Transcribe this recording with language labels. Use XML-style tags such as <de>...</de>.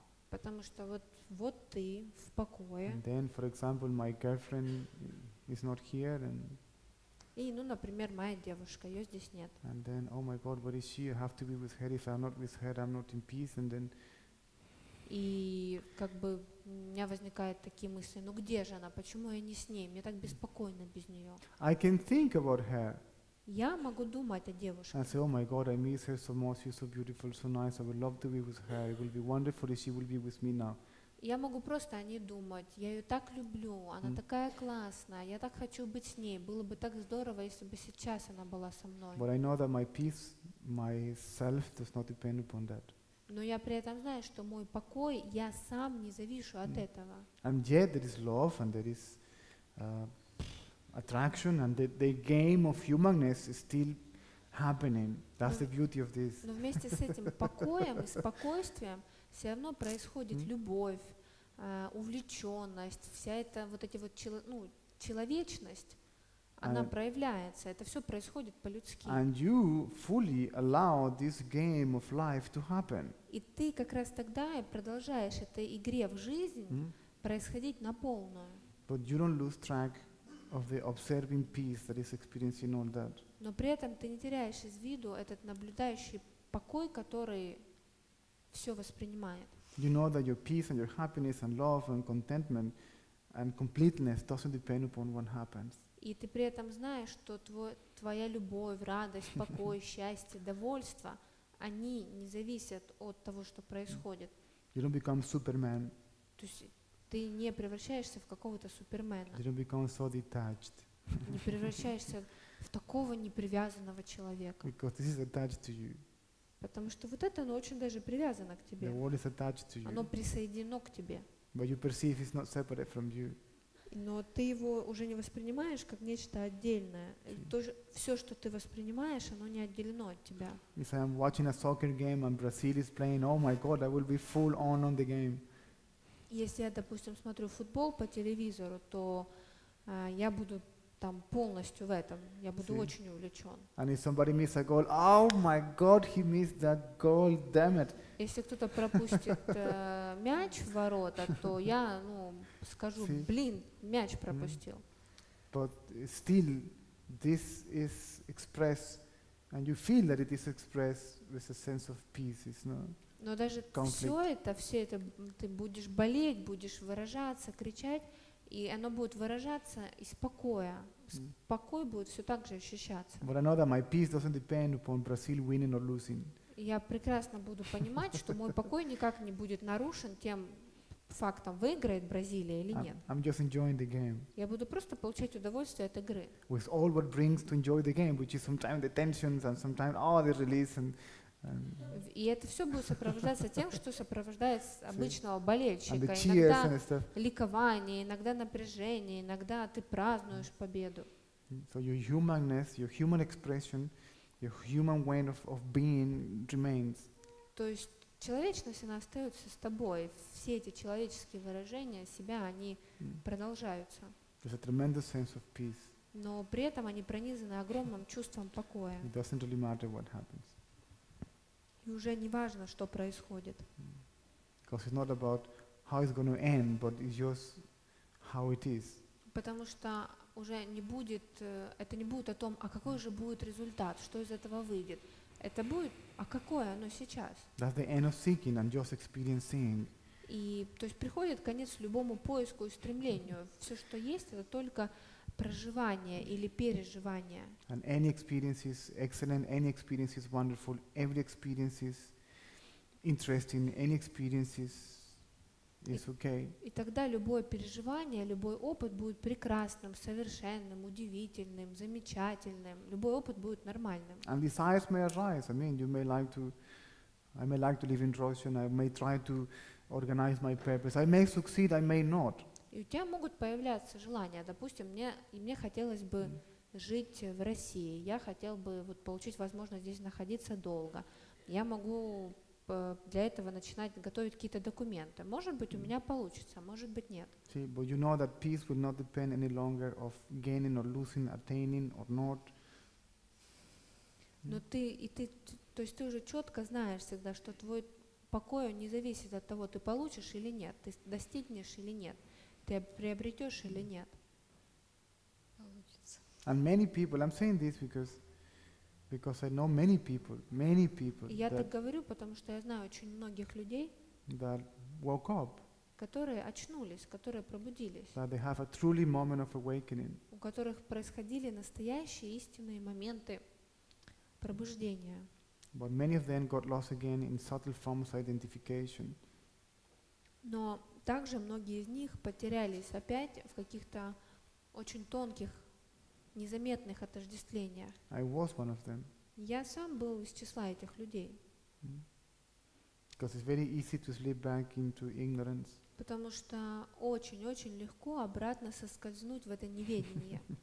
<ru>Потому что вот ты в покое.</ru> <en>And then, for example, my girlfriend is not here and.</en> <ru>И, ну, например, моя девушка, ее здесь нет.</ru> <en>And then, oh my God, what is she? I have to be with her. If I'm not with her, I'm not in peace. And then.</en> <ru>И как бы у меня возникают такие мысли: ну где же она? Почему я не с ней? Мне так беспокойно без нее.</ru> <en>I can think about her.</en> <ru>Я могу думать о девушке.</ru> <en>I say, oh my God, I miss her so much. She's so beautiful, so nice. I would love to be with her. It will be wonderful if she will be with me now.</en> <ru>Я могу просто о ней думать. Я ее так люблю. Она такая классная. Я так хочу быть с ней. Было бы так здорово, если бы сейчас она была со мной.</ru> <en>But I know that my peace, myself, does not depend upon that.</en> <ru>Но я при этом знаю, что мой покой, я сам не завишу от этого.</ru> <en>And yet there is love and there is attraction and the game of humanness is still happening. That's the beauty of this.</en> <ru>Но вместе с этим покоем и спокойствием все равно происходит любовь, увлеченность, вся эта вот эти вот человечность, она проявляется. Это все происходит по-людски.</ru> <en>And you fully allow this game of life to happen.</en> <ru>И ты как раз тогда и продолжаешь этой игре в жизнь происходить на полную.</ru> <en>But you don't lose track of the observing peace that is experiencing all that.</en> <ru>Но при этом ты не теряешь из виду этот наблюдающий покой, который все воспринимает.</ru> <en>You know that your peace and your happiness and love and contentment and completeness doesn't depend upon what happens.</en> <ru>И ты при этом знаешь, что твоя любовь, радость, покой, счастье, довольство, они не зависят от того, что происходит.</ru> <en>You don't become Superman.</en> <ru>То есть ты не превращаешься в какого-то супермена.</ru> <en>You don't become so detached.</en> <ru>Не превращаешься в такого непривязанного человека.</ru> <en>Because this is attached to you.</en> <ru>Потому что вот это, оно очень даже привязано к тебе.</ru> <en>The world is attached to you.</en> <ru>Оно присоединено к тебе.</ru> <en>But you perceive it's not separate from you.</en> <ru>Но ты его уже не воспринимаешь как нечто отдельное. То, все, что ты воспринимаешь, оно не отделено от тебя.</ru> <en>If I'm watching a soccer game and Brazil is playing, oh my God, I will be full on the game.</en> <ru>Если я, допустим, смотрю футбол по телевизору, то я буду там полностью в этом. Я буду очень увлечен.</ru> <en>And if somebody misses a goal, oh my God, he missed that goal, damn it.</en> <ru>Если кто-то пропустит мяч в ворота, то я, ну, скажу, блин, мяч пропустил.</ru> <en>But still, this is expressed, and you feel that it is expressed with a sense of peace, it's not.</en> <ru>Но даже все это, ты будешь болеть, будешь выражаться, кричать, и оно будет выражаться из покоя. Покой будет все так же ощущаться.</ru> <en>But I know that my peace doesn't depend upon Brazil winning or losing.</en> <ru>Я прекрасно буду понимать, что мой покой никак не будет нарушен тем фактом, выиграет Бразилия или нет.</ru> <en>I'm just enjoying the game.</en> <ru>Я буду просто получать удовольствие от игры.</ru> <en>With all what brings to enjoy the game, which is sometimes the tensions and sometimes all the release and.</en> <ru>И это все будет сопровождаться тем, что сопровождает обычного болельщика. Иногда ликование, иногда напряжение, иногда ты празднуешь победу.</ru> <en>So your humanness, your human expression, your human way of being remains.</en> <ru>То есть человечность, она остается с тобой. Все эти человеческие выражения себя, они продолжаются.</ru> <en>There's a tremendous sense of peace.</en> <ru>Но при этом они пронизаны огромным чувством покоя.</ru> <en>It doesn't really matter what happens.</en> <ru>И уже не важно, что происходит.</ru> <en>Because it's not about how it's going to end, but it's just how it is.</en> <ru>Потому что уже не будет, это не будет о том, а какой же будет результат, что из этого выйдет. Это будет, а какое оно сейчас?</ru> <en>That's the end of seeking and just experiencing.</en> <ru>И то есть приходит конец любому поиску и стремлению. Все, что есть, это только проживание или переживание.</ru> <en>And any experience is excellent, any experience is wonderful, every experience is interesting, any experience is okay.</en> <ru>И тогда любое переживание, любой опыт будет прекрасным, совершенным, удивительным, замечательным. Любой опыт будет нормальным.</ru> <en>And desires may arise. I mean, I may like to live in Russia, and I may try to organize my purpose. I may succeed, I may not.</en> <ru>И у тебя могут появляться желания. Допустим, мне хотелось бы жить в России. Я хотел бы вот получить возможность здесь находиться долго. Я могу для этого начинать готовить какие-то документы. Может быть, у меня получится, может быть, нет.</ru> <en>See, but you know that peace will not depend any longer of gaining or losing, attaining or not.</en> <ru>Но ты уже четко знаешь всегда, что твой покой не зависит от того, ты получишь или нет, ты достигнешь или нет. Ты приобретешь или нет? Получится.</ru> <en>And many people, I'm saying this because I know many people.</en> <ru>Я так говорю, потому что я знаю очень многих людей,</ru> <en>that woke up,</en> <ru>которые очнулись, которые пробудились,</ru> <en>that they have a truly moment of awakening,</en> <ru>у которых происходили настоящие истинные моменты пробуждения.</ru> <en>But many of them got lost again in subtle forms of identification.</en> <ru>Но также многие из них потерялись опять в каких-то очень тонких, незаметных отождествлениях.</ru> <en>I was one of them.</en> <ru>Я сам был из числа этих людей.</ru> <en>Because it's very easy to slip back into ignorance.</en> <ru>Потому что очень-очень легко обратно соскользнуть в это неведение.</ru>